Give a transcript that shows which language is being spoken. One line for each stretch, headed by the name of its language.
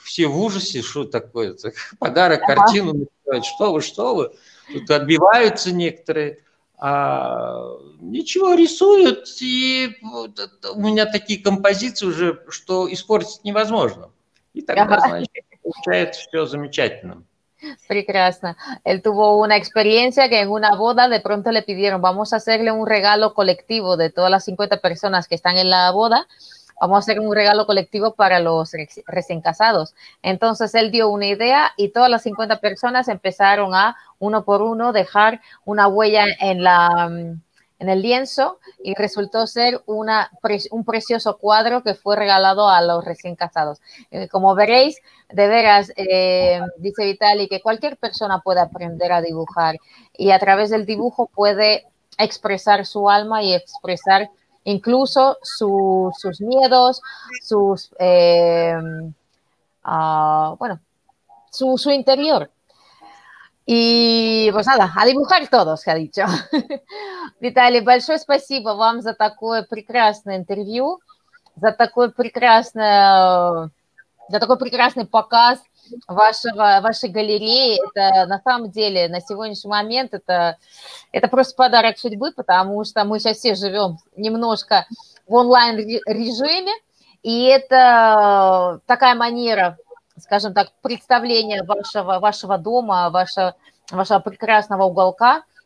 Russian: Все в ужасе, что такое это? Подарок, картину, что вы? Тут отбиваются некоторые. А ничего, рисуют, и вот, у меня такие композиции уже, что испортить невозможно. И тогда, значит, получается все замечательно. Прекрасно.
Spanish: Él tuvo una experiencia que en una boda de pronto le pidieron, vamos a hacerle un regalo colectivo de todas las 50 personas que están en la boda, vamos a hacer un regalo colectivo para los recién casados. Entonces él dio una idea y todas las 50 personas empezaron a uno por uno dejar una huella en el lienzo y resultó ser un precioso cuadro que fue regalado a los recién casados. Como veréis, de veras, dice Vitaly, que cualquier persona puede aprender a dibujar y a través del dibujo puede expresar su alma y expresar incluso sus miedos, su interior.
Russian: И
Spanish: pues nada, a dibujar todos, ha dicho.
Russian: Виталий, большое спасибо вам за такое прекрасное интервью, за такой прекрасный показ вашей галереи. Это на самом деле на сегодняшний момент это просто подарок судьбы, потому что мы сейчас все живем немножко в онлайн-режиме, и это такая манера, скажем так, представления вашего дома, вашего прекрасного уголка.